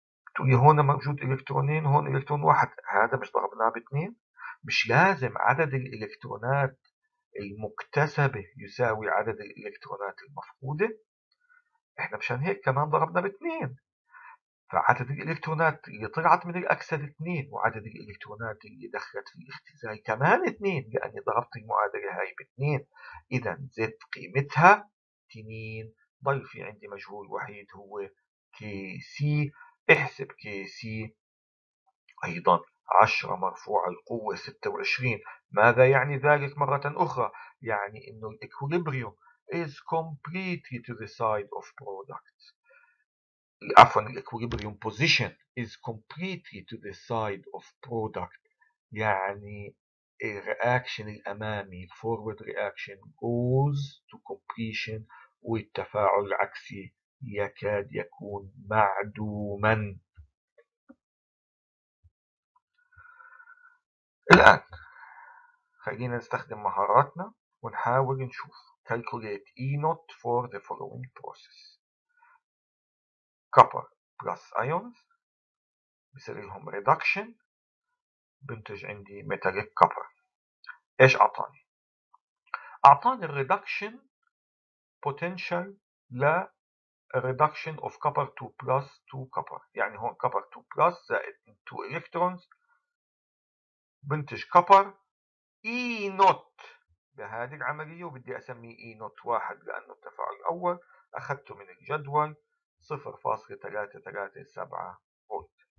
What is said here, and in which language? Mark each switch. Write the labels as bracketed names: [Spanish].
[Arabic] بتقولي هون موجود الكترونين هون الكترون واحد، هذا مش ضربناه باثنين؟ مش لازم عدد الالكترونات المكتسبه يساوي عدد الالكترونات المفقوده، احنا مشان هيك كمان ضربنا باثنين، فعدد الالكترونات اللي طلعت من الاكسده 2 وعدد الالكترونات اللي دخلت في الاختزال كمان 2 لاني ضربت المعادله هاي باثنين. اذا زد قيمتها 2، ضل في عندي مجهول وحيد هو KC. احسب KC ايضا 10 مرفوع القوة 26. ماذا يعني ذلك مرة اخرى؟ يعني انه الإكوليبريوم [English] is completely to the side of product، [Arabic] عفوا الإكوليبريوم position is completely to the side of product، يعني الرياكشن الامامي forward reaction [English] goes to completion [Arabic] والتفاعل العكسي يكاد يكون معدوما. الآن خلينا نستخدم مهاراتنا ونحاول نشوف [English] calculate E not for the following process: copper plus ions [Arabic] بيصير لهم [English] reduction [Arabic] بنتج عندي [English] metallic copper. [Arabic] إيش أعطاني؟ أعطاني reduction potential ل [English] reduction of copper 2 plus 2 copper. [Arabic] يعني هون copper 2 plus زائد 2 electrons بنتج copper E not بهذه العملية، وبدي أسميه E not 1 لأنه التفاعل الأول، أخذته من الجدول 0.337 فولت.